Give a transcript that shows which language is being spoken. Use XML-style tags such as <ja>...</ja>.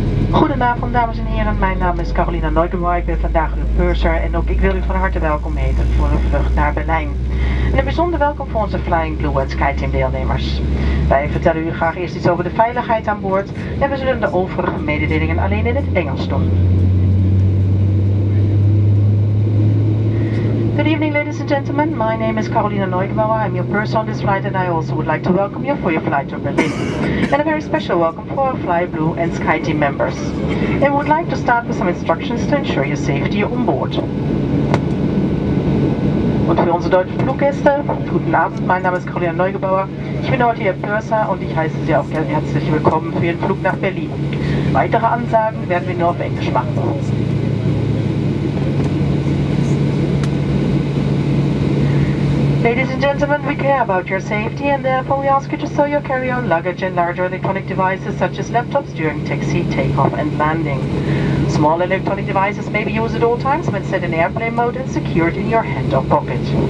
<nl>Goedenavond dames en heren, mijn naam is Carolina Neukenwaar, ik ben vandaag de purser en ook ik wil u van harte welkom heten voor een vlucht naar Berlijn. En een bijzonder welkom voor onze Flying Blue en SkyTeam deelnemers. Wij vertellen u graag eerst iets over de veiligheid aan boord en we zullen de overige mededelingen alleen in het Engels doen.</nl> <en>Good evening ladies and gentlemen, my name is Carolina Neukenbauer, I'm your purser on this flight and I also would like to welcome you for your flight to Berlin. And a very special welcome for our FlyBlue and SkyTeam members. And would like to start with some instructions to ensure your safety on board.</en> <de>Und für unsere deutschen Fluggäste, guten Abend, mein Name ist Carolina Neugebauer. Ich bin heute Ihr Purser und ich heiße Sie auch gerne herzlich willkommen für Ihren Flug nach Berlin. Weitere Ansagen werden wir nur auf Englisch machen.</de> <en>Ladies and gentlemen, we care about your safety and therefore we ask you to stow your carry-on luggage and larger electronic devices such as laptops during taxi, takeoff and landing. Small electronic devices may be used at all times when set in airplane mode and secured in your hand or pocket.</en>